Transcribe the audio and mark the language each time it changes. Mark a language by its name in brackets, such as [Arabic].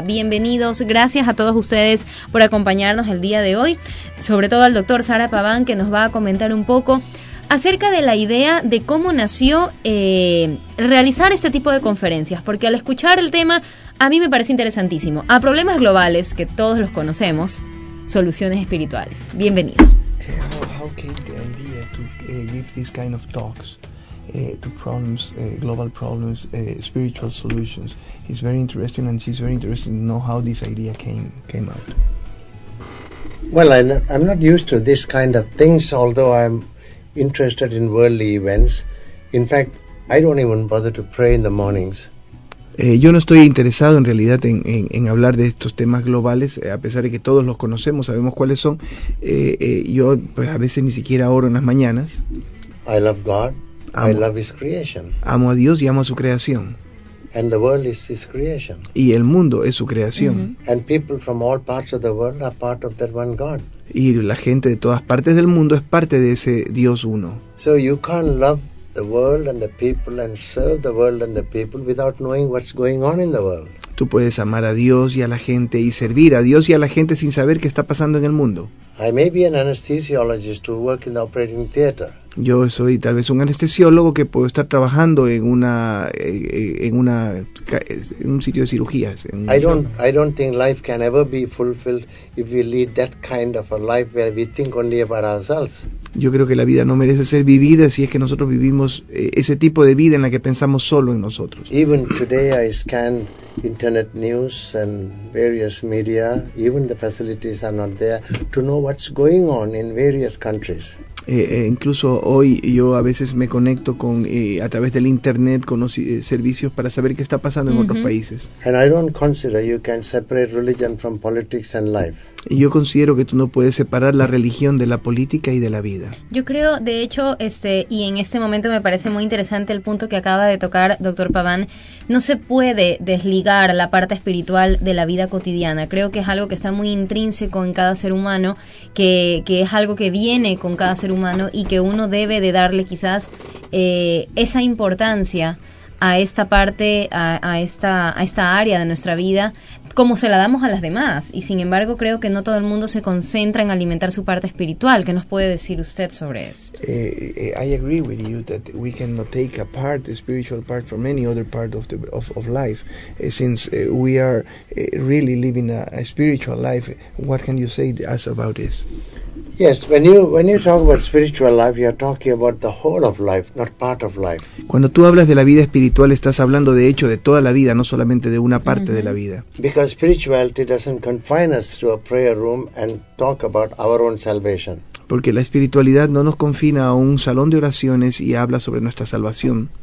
[Spanish] Bienvenidos, gracias a todos ustedes por acompañarnos el día de hoy, sobre todo al doctor Sara Paván, que nos va a comentar un poco acerca de la idea de cómo nació realizar este tipo de conferencias, porque al escuchar el tema a mí me parece interesantísimo. A Problemas Globales, que todos los conocemos, Soluciones Espirituales. Bienvenido. [English] How came the idea to give this kind of talks to problems, global problems, spiritual solutions? It's very interesting, and she's very interested to know how this idea came out. Well, I'm not used to this kind of things, although I'm interested in worldly events. In fact, I don't even bother to pray in the mornings. [Spanish] Yo no estoy interesado en realidad en hablar de estos temas globales, a pesar de que todos los conocemos, sabemos cuáles son. Yo pues a veces ni siquiera oro en las mañanas. [English] I love God. I love His creation. [Spanish] Amo a Dios y amo a su creación. [English] And the world is His creation. [Spanish] Y el mundo es su creación. Mm-hmm. [English] And people from all parts of the world are part of that one God. [Spanish] Y la gente de todas partes del mundo es parte de ese Dios uno. [English] So you can't love the world and the people and serve the world and the people without knowing what's going on in the world. [Spanish] Tú puedes amar a Dios y a la gente y servir a Dios y a la gente sin saber qué está pasando en el mundo. [English] I may be an anesthesiologist who work in the operating theater. [Spanish] Yo soy tal vez un anestesiólogo que puedo estar trabajando en un sitio de cirugías. [English] I don't think life can ever be fulfilled if we lead that kind of a life where we think only about ourselves. [Spanish] Yo creo que la vida no merece ser vivida si es que nosotros vivimos ese tipo de vida en la que pensamos solo en nosotros. [English] Even today I scan internet news and various media, even the facilities are not there to know what's going on in various countries. [Spanish] Incluso hoy yo a veces me conecto con a través del internet con los servicios para saber qué está pasando en otros países. [English] And I don't consider you can separate religion from politics and life. [Spanish] Y yo considero que tú no puedes separar la religión de la política y de la vida. Yo creo, de hecho, y en este momento me parece muy interesante el punto que acaba de tocar doctor Paván, no se puede desligar la parte espiritual de la vida cotidiana. Creo que es algo que está muy intrínseco en cada ser humano, que es algo que viene con cada ser humano y que uno debe de darle quizás esa importancia a esta parte, a esta área de nuestra vida, como se la damos a las demás. Y sin embargo creo que no todo el mundo se concentra en alimentar su parte espiritual. ¿Qué nos puede decir usted sobre esto? [English] I agree with you that we cannot take apart the spiritual part from any other part of life, since we are really living a spiritual life. What can you say to us about this? Yes, when you talk about spiritual life, you are talking about the whole of life, not part of life. [Spanish] Cuando tú hablas de la vida espiritual, estás hablando de hecho de toda la vida, no solamente de una parte de la vida. [English] Because spirituality doesn't confine us to a prayer room and talk about our own salvation. [Spanish] Porque la espiritualidad no nos confina a un salón de oraciones y habla sobre nuestra salvación.